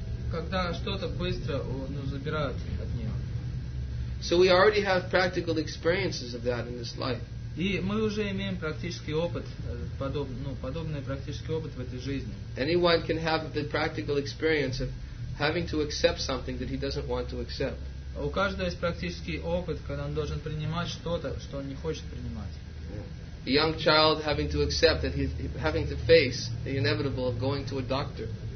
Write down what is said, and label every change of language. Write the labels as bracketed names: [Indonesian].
[Russian] Когда что-то быстро забирают от нее. [English] So we already have practical experiences of that in this life. [Russian] И мы уже имеем практический опыт, подобный практический опыт в этой жизни. [English] Anyone can have the practical experience of having to accept something that he doesn't want to accept. [Russian] У каждого есть практический опыт, когда он должен принимать что-то, что он не хочет принимать. [English] A young child having to accept that he's having to face the inevitable of going to a doctor.